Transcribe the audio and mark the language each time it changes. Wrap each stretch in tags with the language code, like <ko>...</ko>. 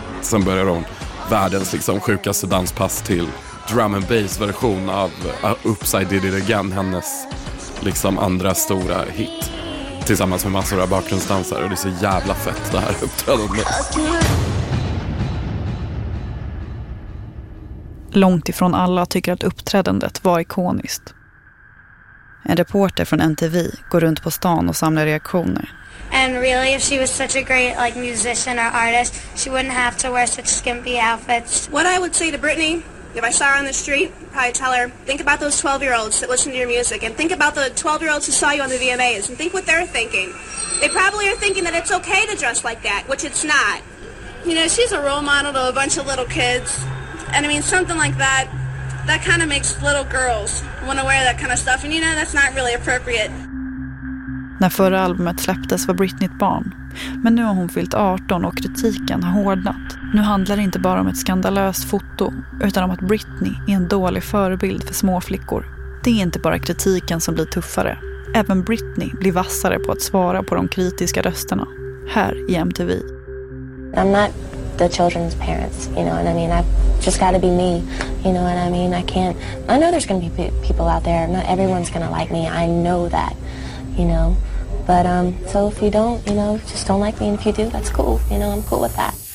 <sv>sen börjar hon världens liksom sjukaste danspass till drum and bass version av Upside Did It Again, hennes liksom andra stora hit tillsammans med massor av bakgrundsdansare. Och det är så jävla fett det här uppträdandet. Långt ifrån alla tycker att uppträdandet var ikoniskt. En reporter från MTV går runt på stan och samlar reaktioner.</sv> <en>And really, if she was such a great like musician or artist, she wouldn't have to wear such skimpy outfits. What I would say to Britney, if I saw her on the street, I'd probably tell her, think about those 12-year-olds that listen to your music, and think about the 12-year-olds who saw you on the VMAs, and think what they're thinking. They probably are thinking that it's okay to dress like that, which it's not. You know, she's a role model to a bunch of little kids, and I mean, something like that, that kind of makes little girls want to wear that kind of stuff, and you know, that's not really appropriate.</en> <sv>När förra albumet släpptes var Britney ett barn. Men nu har hon fyllt 18 och kritiken har hårdnat. Nu handlar det inte bara om ett skandalöst foto, utan om att Britney är en dålig förebild för små flickor. Det är inte bara kritiken som blir tuffare. Även Britney blir vassare på att svara på de kritiska rösterna. Här i MTV.</sv> <en>I'm not the children's parents, you know what I mean? I've just got to be me, you know what I mean? I know there's going to be people out there. Not everyone's going to like me. I know that. You know, but so if you don't, you know, just don't like me, and if you do, that's cool, you know, I'm cool with that.</en>